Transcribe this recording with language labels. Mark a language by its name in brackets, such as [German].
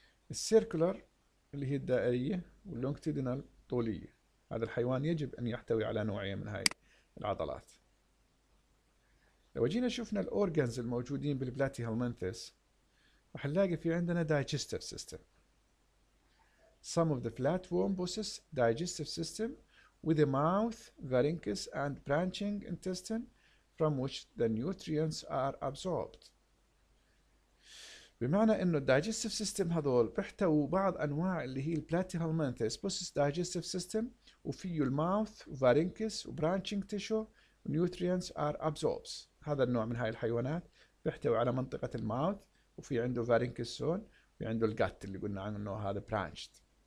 [Arabic] السيركولر اللي هي الدائرية واللونجتيدينال طولية. هذا الحيوان يجب أن يحتوي على نوعين من هاي العضلات. لو جينا شفنا الأورجانز الموجودين بالبلاتي هلمنثس، رح نلاقي في عندنا digestive system. [English] Some of the flatworm possess digestive system with a mouth, pharynx and branching intestine from which the nutrients are absorbed. [Arabic] بمعنى انه الدايجستيف سيستم هذول بيحتووا بعض انواع اللي هي البلاتي هلمنثس [English] possess digestive system, [Arabic] وفيه الماوث وفارينكس وبرانشينج تيشو [English] ونيوتريانس are absorbs. [Arabic] هذا النوع من هاي الحيوانات بيحتوي على منطقه الماوث، وفي عنده فارينكس زون، وعنده الجات اللي قلنا عنه هذا برانشت.